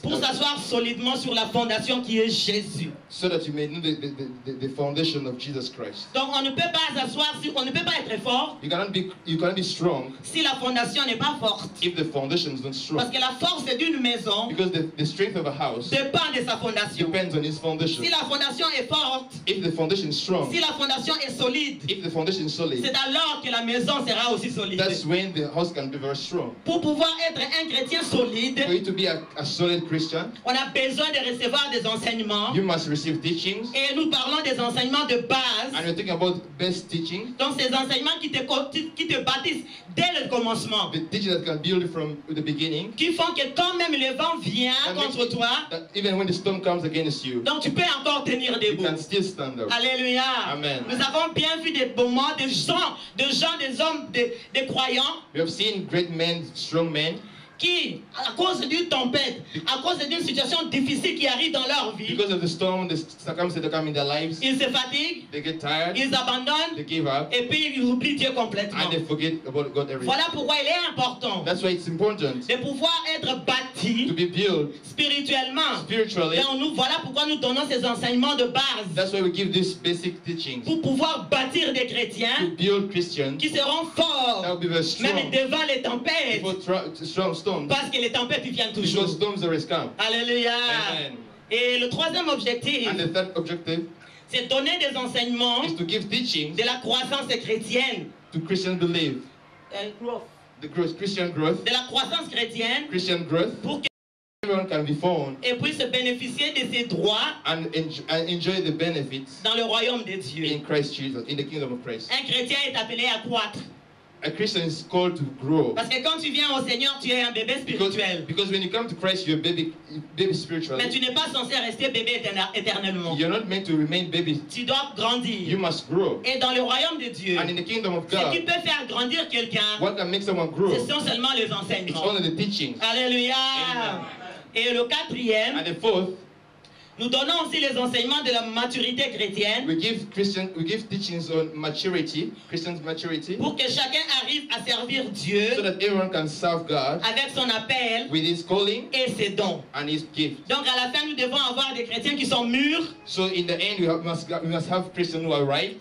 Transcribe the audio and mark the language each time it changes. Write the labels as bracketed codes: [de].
[fr] Pour s'asseoir solidement sur la fondation qui est Jésus. [en] So that you may know the foundation of Jesus Christ. [fr] Donc on ne peut pas s'asseoir si on ne peut pas être fort. [en] You cannot be strong. [fr] Si la fondation n'est pas forte. [en] If the foundation is not strong. [fr] Parce que la force d'une maison. [en] Because the strength of a house. [fr] Dépend de sa fondation. [en] Depends on its foundation. [fr] Si la fondation est forte. [en] If the foundation is strong. [fr] Si la fondation est solide. [en] If the foundation is solid. [fr] C'est alors que la maison sera aussi solide. [en] That's when the house can be very strong. [fr] Pour pouvoir être un chrétien solide. [en] For you to be a solid Christian. [fr] On a besoin de recevoir des enseignements. [en] You must receive teachings. [fr] Et nous parlons des enseignements de base. [en] And we're talking about best teachings. [fr] Donc ces enseignements qui te bâtissent dès le commencement. [en] The teaching that can build from the beginning. [fr] Qui font que quand même le vent vient [en] that [fr] contre [en] makes, [fr] toi. [en] Even when the storm comes against you. [fr] Donc tu peux encore tenir debout. [en] You can still stand up. [fr] Alléluia. [en] Amen. [fr] Nous avons bien vu des moments, des gens, des hommes, des croyants. [en] We have seen great men, strong men. [fr] Qui, à cause d'une tempête, à cause d'une situation difficile qui arrive dans leur vie, [en] because of the storm, the circumstances that come in their lives, [fr] ils se fatiguent, [en] they get tired, [fr] ils abandonnent, [en] they give up, [fr] et puis ils oublient Dieu complètement. [en] And they forget about God everything. [fr] Voilà pourquoi il est important. [en] That's why it's important. [fr] De pouvoir être bâti, [en] to be built, [fr] spirituellement. [en] Spiritually. [fr] Et nous, voilà pourquoi nous donnons ces enseignements de base. [en] That's why we give these basic teachings. [fr] Pour pouvoir bâtir des chrétiens, [en] to build Christians, [fr] qui seront forts, [en] that will be very strong, [fr] même devant les tempêtes. Parce que les tempêtes viennent toujours. [en] Storms always come. [fr] Alléluia. [en] Amen. [fr] Et le troisième objectif. [en] And the third objective. [fr] C'est donner des enseignements. [en] Is to give teachings. [fr] De la croissance chrétienne. [en] To Christian belief. The growth. Christian growth. [fr] De la croissance chrétienne. [en] Christian growth. [fr] Pour que [en] everyone can be found. [fr] Et puis se bénéficier de ses droits. [en] And enjoy the benefits. [fr] Dans le royaume de Dieu. [en] In Christ Jesus, in the kingdom of Christ. [fr] Un chrétien est appelé à croître. [en] A Christian is called to grow. [fr] Parce que quand tu viens au Seigneur, tu es un bébé spirituel. [en] Because when you come to Christ, you're a baby spiritually. [fr] Mais tu n'es pas censé rester bébé éternellement. [en] You're not meant to remain baby. [fr] Tu dois grandir. [en] You must grow. [fr] Et dans le royaume de Dieu. [en] And in the kingdom of God. [fr] Ce qui peut faire grandir quelqu'un. [en] What can make someone grow? [fr] Ce sont seulement les enseignements. [en] It's only the teachings. [fr] Alléluia. [en] Amen. [fr] Et le quatrième. [en] And the fourth. [fr] Nous donnons aussi les enseignements de la maturité chrétienne. [en] We give teachings on maturity, Christian's maturity. [fr] Pour que chacun arrive à servir Dieu. [en] So that everyone can serve God. [fr] Avec son appel. [en] With his calling. [fr] Et ses dons. [en] And his gift. [fr] Donc à la fin, nous devons avoir des chrétiens qui sont mûrs. [en] So in the end, we must have Christians who are right.